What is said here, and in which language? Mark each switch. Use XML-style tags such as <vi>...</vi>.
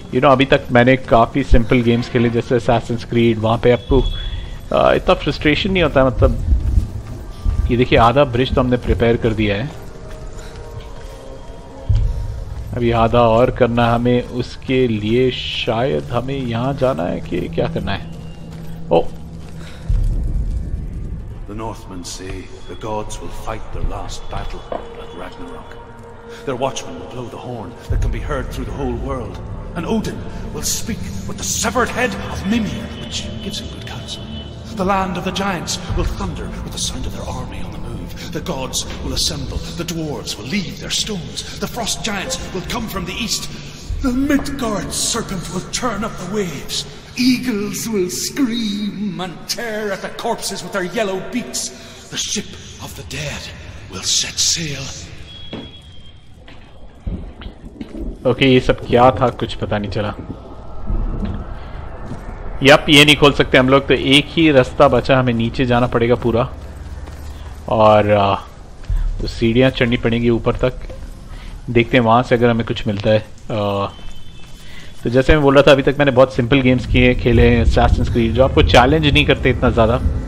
<hi>अभी तक मैंने काफ़ी सिंपल गेम्स खेले जैसे Assassin's Creed, वहाँ पे आपको इतना फ्रस्ट्रेशन नहीं होता. मतलब ये देखिए आधा ब्रिज तो हमने प्रिपेयर कर दिया है. अभी आधा और करना है हमें उसके लिए. शायद हमें यहाँ जाना है कि क्या करना है. ओ</hi> <en>The Northmen say the gods will fight their last battle at Ragnarok. Their watchmen will blow the horn that can be heard through the whole world. And Odin will speak with the severed head of Mimir, which gives him good counsel. The land of the giants will thunder with the sound of their army on the move. The gods will assemble. The dwarves will leave their stones. The frost giants will come from the east. The Midgard serpent will churn up the waves. Eagles will scream and tear at the corpses with their yellow beaks. The ship of the dead will set sail. Okay,</en> <hi>ये सब क्या था कुछ पता नहीं चला. Yup, ये नहीं खोल सकते हम लोग, तो एक ही रास्ता बचा, हमें नीचे जाना पड़ेगा पूरा और वो सीढ़ियाँ चढ़नी पड़ेंगी ऊपर तक. देखते हैं वहाँ से अगर हमें कुछ मिलता है. तो जैसे मैं बोल रहा था, अभी तक मैंने बहुत सिंपल गेम्स किए खेले हैं, असैसिन्स क्रीड, जो आपको चैलेंज नहीं करते इतना ज़्यादा.</hi>